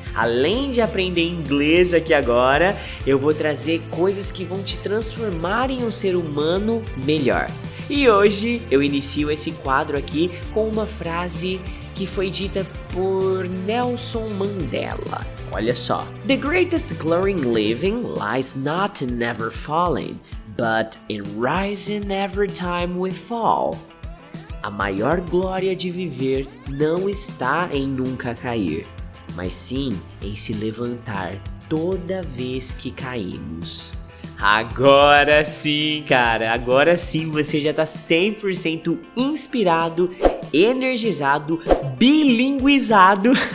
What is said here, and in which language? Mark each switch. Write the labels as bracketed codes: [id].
[pt] Além de aprender inglês aqui agora, eu vou trazer coisas que vão te transformar em um ser humano melhor. E hoje eu inicio esse quadro aqui com uma frase que foi dita por Nelson Mandela. Olha só. [en] The greatest glory in living lies not in never falling, but in rising every time we fall. [pt] A maior glória de viver não está em nunca cair, mas sim em se levantar toda vez que caímos. Agora sim, cara! Agora sim você já tá 100% inspirado, energizado, bilinguizado.